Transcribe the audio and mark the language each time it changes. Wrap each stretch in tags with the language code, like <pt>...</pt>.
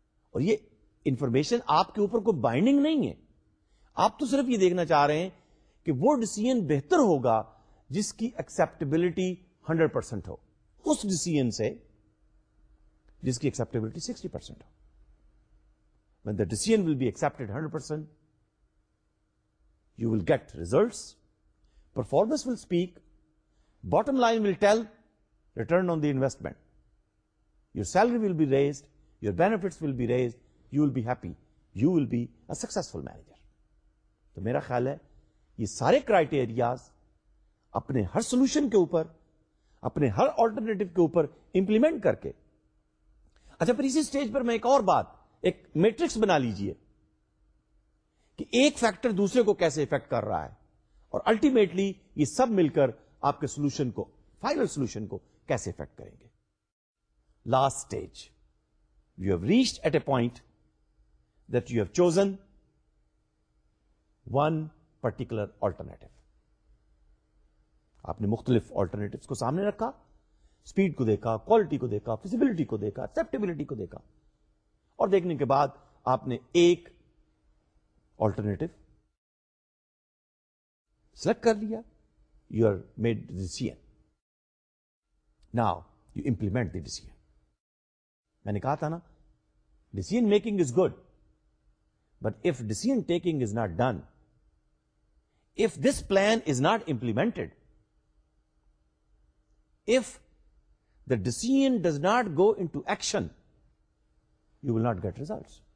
<ur>اور یہ انفارمیشن آپ کے اوپر کوئی بائنڈنگ نہیں ہے, آپ تو صرف یہ دیکھنا چاہ رہے ہیں کہ وہ ڈیسیژن بہتر ہوگا جس کی ایکسیپٹیبلٹی 100% ہو, اس ڈیسیژن سے جس کی acceptability 60% ہو.</ur> <en>When the decision will be accepted 100%, you will get results, performance will speak, bottom line will tell, return on the investment, your salary will be raised, your benefits will be raised, you will be happy, you will be a successful manager.</en> <ur>تو میرا خیال ہے یہ سارے criterias اپنے ہر solution کے اوپر, اپنے ہر آلٹرنیٹو کے اوپر امپلیمنٹ کر کے. اچھا پھر اسی اسٹیج پر میں ایک اور بات, ایک میٹرکس بنا لیجئے کہ ایک فیکٹر دوسرے کو کیسے افیکٹ کر رہا ہے اور الٹیمیٹلی یہ سب مل کر آپ کے سولوشن کو, فائنل سولوشن کو کیسے افیکٹ کریں گے.</ur> <en>Last stage, you have reached at a point that you have chosen one particular alternative.</en> <ur>آپ نے مختلف آلٹرنیٹو کو سامنے رکھا, اسپیڈ کو دیکھا, کوالٹی کو دیکھا, فیزیبلٹی کو دیکھا, ایکسیپٹیبلٹی کو دیکھا, اور دیکھنے کے بعد آپ نے ایک آلٹرنیٹو سلیکٹ کر لیا,</ur> <en>You have made decision. Now, you implement the decision.</en> <ur>میں نے کہا تھا نا,</ur> <en>decision making is good, but if decision taking is not done, if this plan is not implemented, if the decision does not go into action, you will not get results.</en>